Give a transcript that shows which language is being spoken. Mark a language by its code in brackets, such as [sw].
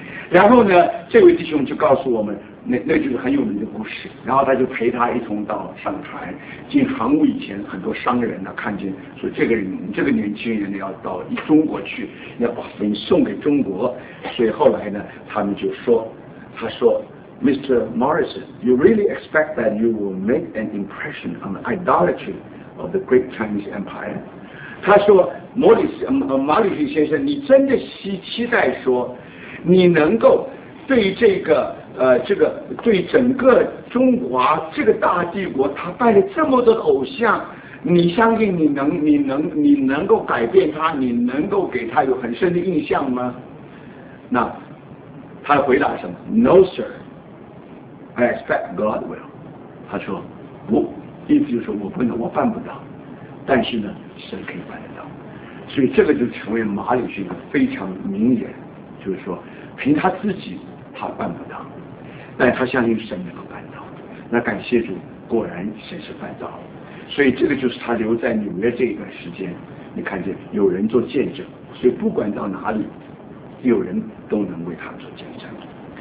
[zh] 然后呢，这位弟兄就告诉我们，那就是很有名的故事。然后他就陪他一同到上船，进船坞以前，很多商人呢看见说，这个人，这个年轻人呢要到中国去，要把福音送给中国。所以后来呢，他们就说，他说 ，Mr. [en] Morrison， you really expect that you will make an impression on the idolatry of the Great Chinese Empire？ [zh] 他说，马里逊先生，你真的期待说，你能够对这个这个对整个中华这个大帝国，他拜了这么多的偶像，你相信你能够改变他，你能够给他有很深的印象吗？那他回答什么 ？ [en] No sir, I expect God will。 [zh] 他说不，意思就是我不能，我办不到，但是呢，神可以办得到。所以这个就成为马里逊非常名言，就是说凭他自己他办不到，但他相信神能够办到。那感谢主，果然神是办到了。所以这个就是他留在纽约这一段时间，你看见有人做见证，所以不管到哪里有人都能为他做见证。